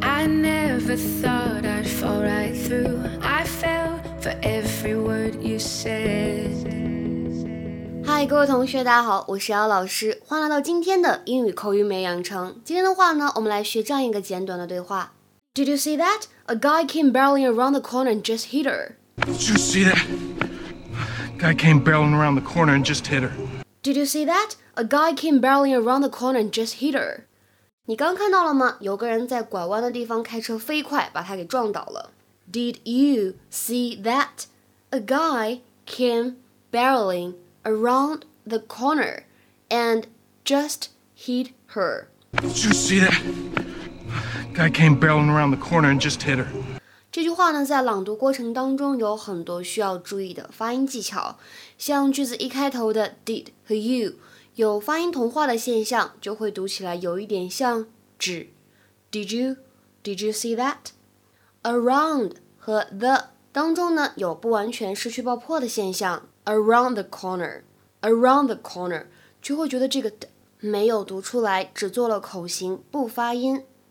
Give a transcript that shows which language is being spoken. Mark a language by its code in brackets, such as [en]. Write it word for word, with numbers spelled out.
[en] I never thought I'd fall right through. I fell for every word you said. [zh] 嗨，各位同学，大家好，我是姚老师，欢迎来到今天的英语口语美养成。今天的话呢，我们来学这样一个简短的对话。 [en] Did you see that? A guy came barreling around the corner and just hit her. Did you see that? A guy came barreling around the corner and just hit her. Did you see that? A guy came barreling around the corner and just hit her. [zh] 你刚看到了吗？有个人在拐弯的地方开车飞快，把他给撞倒了。 [en] Did you see that? A guy came barreling around the corner and just hit her. Did you see that? A guy came barreling around the corner and just hit her. [zh] 这句话呢，在朗读过程当中有很多需要注意的发音技巧，像句子一开头的 did 和 you 有发音同化的现象，就会读起来有一点像指 [en] Did you? Did you see that? [zh] Around 和 the 当中呢，有不完全失去爆破的现象 [en] Around the corner Around the corner [zh] 就会觉得这个 d 没有读出来，只做了口型不发音。